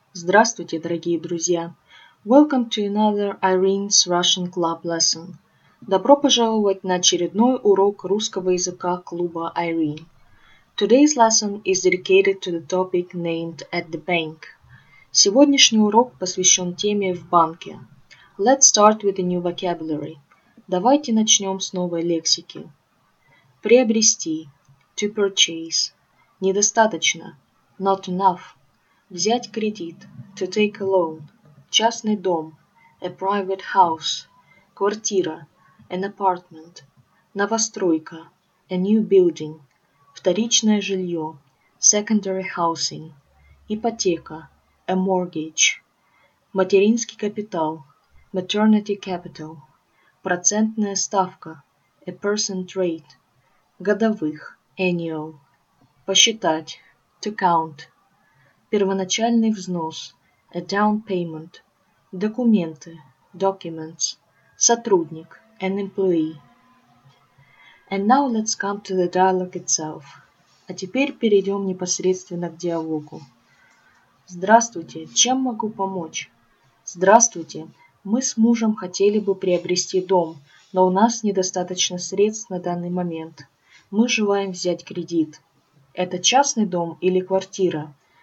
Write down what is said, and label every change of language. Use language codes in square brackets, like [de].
[ru] Здравствуйте, дорогие друзья. [en] Welcome to another Irene's Russian Club lesson. [ru] Добро пожаловать на очередной урок русского языка клуба Irene. [en] Today's lesson is dedicated to the topic named at the bank. [ru] Сегодняшний урок посвящен теме в банке. [en] Let's start with a new vocabulary. [ru] Давайте начнем с новой лексики. [en] Приобрести. To purchase. Недостаточно. Not enough. [ru] Взять кредит. [en] To take a loan. [ru] Частный дом. [en] A private house. Квартира. An apartment. Новостройка. A new building. [ru] Вторичное жилье. [en] Secondary housing. Ипотека. A mortgage. [ru] Материнский капитал. [en] Maternity capital. [ru] Процентная ставка. [en] A percent rate. Годовых. Annual. Посчитать. To count. [ru] Первоначальный взнос. [en] A down payment. Документы. Documents. Сотрудник. An employee. And now let's come to the dialogue itself. [ru] А теперь перейдем непосредственно к диалогу. Здравствуйте. Чем могу помочь? Здравствуйте. Мы с мужем хотели бы приобрести дом, но у нас недостаточно средств на данный момент. Мы желаем взять кредит. Это частный дом или квартира?